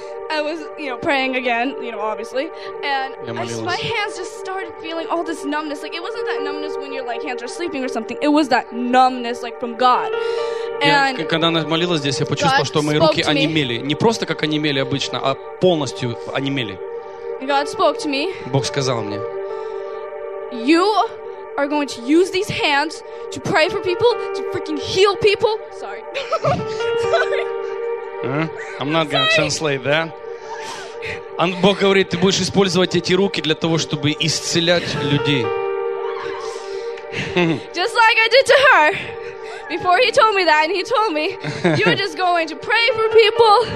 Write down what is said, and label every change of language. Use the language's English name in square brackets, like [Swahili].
[English] I was, you know, praying again, you know, obviously, and my hands just started feeling all this numbness. Like it wasn't that numbness when your like hands are sleeping or something. It was that numbness like from God. And [Russian] я, когда она молилась здесь, я почувствовала, что мои руки онемели. Не просто как онемели обычно, а полностью онемели. [English] God spoke to me. [Russian] Бог сказал мне. [English] You are going to use these hands to pray for people, to freaking heal people. Sorry. I'm not going to translate that. [Russian] And Бог говорит, ты будешь использовать эти руки для того, чтобы исцелять людей. [English] Just like I did to her. Before he told me that, and he told me, you're just going to pray for people.